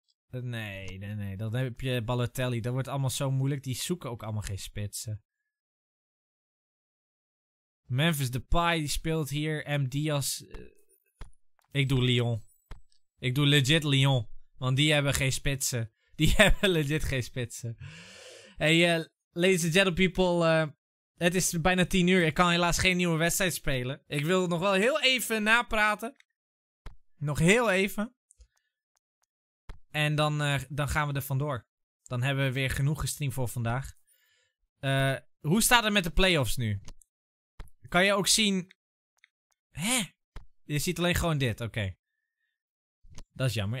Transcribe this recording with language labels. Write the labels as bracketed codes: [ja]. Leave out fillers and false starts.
[nl] Nee. Dan heb je Balotelli. Dat wordt allemaal zo moeilijk. Die zoeken ook allemaal geen spitsen. Memphis Depay, die speelt hier. M. Diaz. Ik doe Lyon. Ik doe legit Lyon. Want die hebben geen spitsen. Die hebben legit geen spitsen. [en] Hey, ladies and gentlemen, people. [nl] Het is bijna 10 uur. Ik kan helaas geen nieuwe wedstrijd spelen. Ik wil nog wel heel even napraten. Nog heel even. En dan gaan we er vandoor. Dan hebben we weer genoeg gestreamd voor vandaag. Hoe staat het met de playoffs nu? Kan je ook zien... Hè? Je ziet alleen gewoon dit. Oké. Dat is jammer.